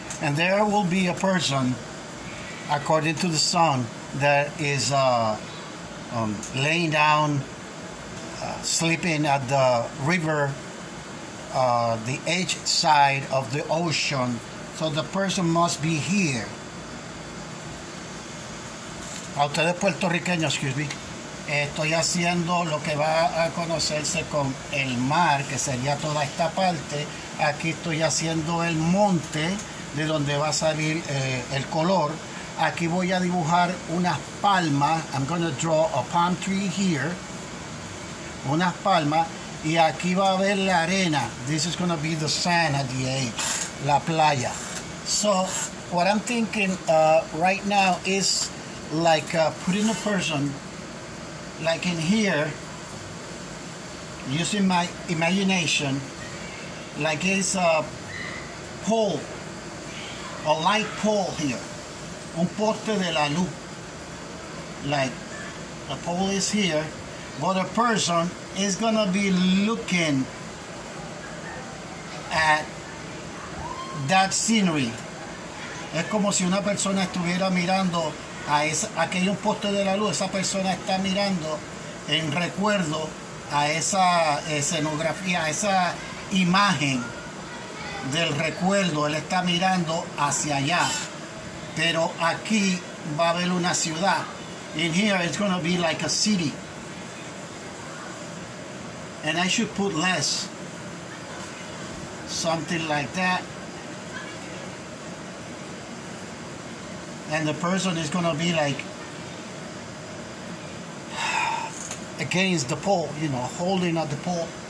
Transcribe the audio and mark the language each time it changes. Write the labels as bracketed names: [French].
[English] And there will be a person, according to the song, that is laying down, sleeping at the river, the edge side of the ocean. So the person must be here. [Spanish] A ustedes puertorriqueños, [English] excuse me, [Spanish] estoy haciendo lo que va a conocerse con el mar, que sería toda esta parte. Aquí estoy haciendo el monte, de donde va a salir el color. Aquí voy a dibujar unas palmas. [English] I'm going to draw a palm tree here. [Spanish] Unas palmas. Y aquí va a haber la arena. [English] This is going to be the sand at the edge. [Spanish] La playa. [English] So, what I'm thinking right now is like putting a person like in here, using my imagination, like it's a pole, a light pole here, [Spanish] un poste de la luz, [English] like a pole is here, but a person is gonna be looking at that scenery. [Spanish] Es como si una persona estuviera mirando a esa, aquel poste de la luz. Esa persona está mirando en recuerdo a esa escenografía, a esa imagen del recuerdo. Él está mirando hacia allá, pero aquí va a haber una ciudad. [English] In here it's going to be like a city, and I should put less, something like that. And the person is gonna be like against the pole, you know, holding at the pole.